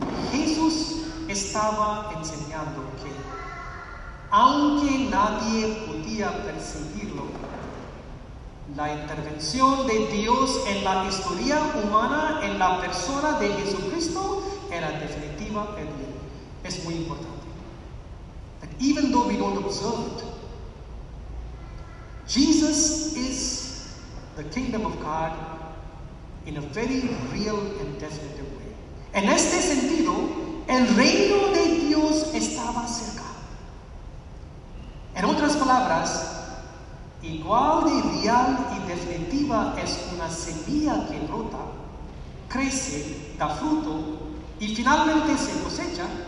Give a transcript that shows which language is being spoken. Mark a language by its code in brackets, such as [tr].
[es] Jesús estaba enseñando que, aunque nadie podía percibirlo, la intervención de Dios en la historia humana, en la persona de Jesucristo, era definitiva. Es muy importante. [en] But even though we don't observe it, Jesus is the kingdom of God in a very real and definitive way. [es] En este sentido, el reino de Dios estaba cerca. En otras palabras, igual de real y definitiva es una semilla que brota, crece, da fruto y finalmente se cosecha,